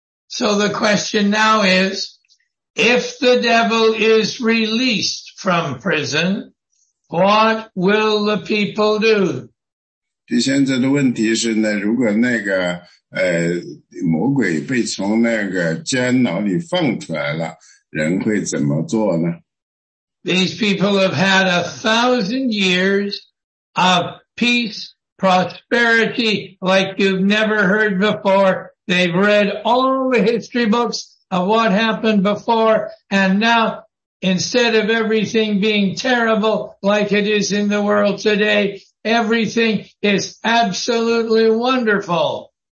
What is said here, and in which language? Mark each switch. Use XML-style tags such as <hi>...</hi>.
<en>So the question now is, if the devil is released from prison, what will the people do?</en> <zh>现在的问题是呢，如果那个魔鬼被从那个监牢里放出来了，人会怎么做呢？</zh> <en>These people have had 1,000 years of peace, prosperity, like you've never heard before. They've read all the history books of what happened before, and now, instead of everything being terrible like it is in the world today, everything is absolutely wonderful.</en>